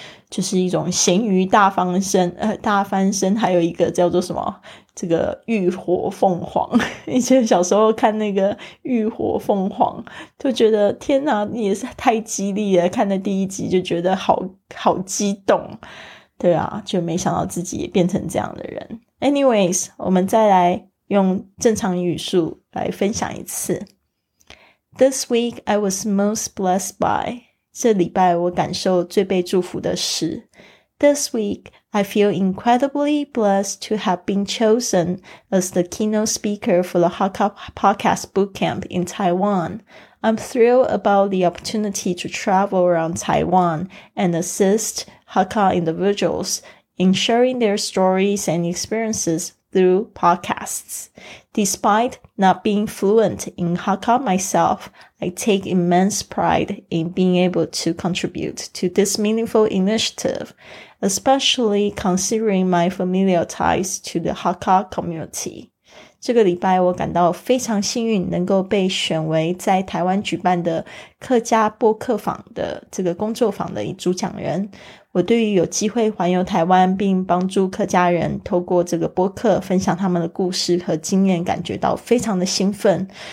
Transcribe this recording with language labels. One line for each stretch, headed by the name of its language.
Chinese: 就是一种咸鱼大翻身，大翻身，还有一个叫做什么这个浴火凤凰，以前小时候看那个浴火凤凰就觉得天哪也是太激励了，看的第一集就觉得好激动，对啊，就没想到自己也变成这样的人。 Anyways 我们再来用正常语速来分享一次。
English: This week I was most blessed by，
Chinese: 这礼拜我感受最被祝福的是。
English: This week I feel incredibly blessed to have been chosen as the keynote speaker for the Hakka Podcast Bootcamp in Taiwan. I'm thrilled about the opportunity to travel around Taiwan and assist Hakka individuals in sharing their stories and experiences through podcasts. Despite not being fluent in Hakka myself, I take immense pride in being able to contribute to this meaningful initiative, especially considering my familial ties to the Hakka community.
Chinese: 这个礼拜我感到非常幸运能够被选为在台湾举办的客家播客坊的这个工作坊的主讲人。我对于有机会环游台湾并帮助客家人透过这个播客分享他们的故事和经验感觉到非常的兴奋。